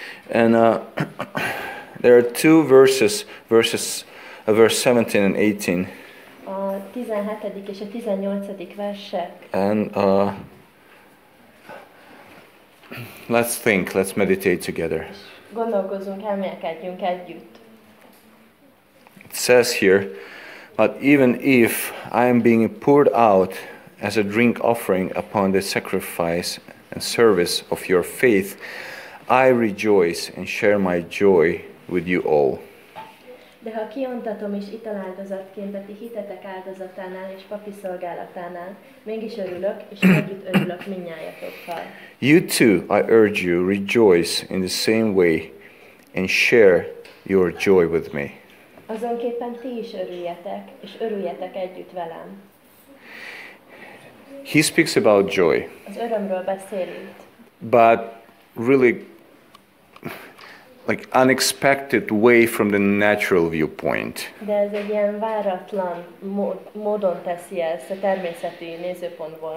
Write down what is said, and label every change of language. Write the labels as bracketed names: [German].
[English] And there are two verse 17 and 18. [Hungarian] A 17. és a 18. versek. [English] And let's think, let's meditate together. [Hungarian] Gondolkozunk, elmélkedjünk együtt. [English] It says here, but even if I am being poured out as a drink offering upon the sacrifice and service of your faith, I rejoice and share my joy with you all. [Hungarian] De ha kiontatom is italáldozatként a ti hitetek áldozatánál és papi szolgálatánál, mégis örülök, és együtt örülök mindnyájatokkal. [English] You too, I urge you, rejoice in the same way and share your joy with me. [Hungarian] Azonképpen ti is örüljetek, és örüljetek együtt velem. [English] He speaks about joy. [Hungarian] Az örömről beszél itt. [English] But really, like unexpected way from the natural viewpoint. [Hungarian] De ez egy ilyen váratlan módon teszi ezt a természeti nézőpontból.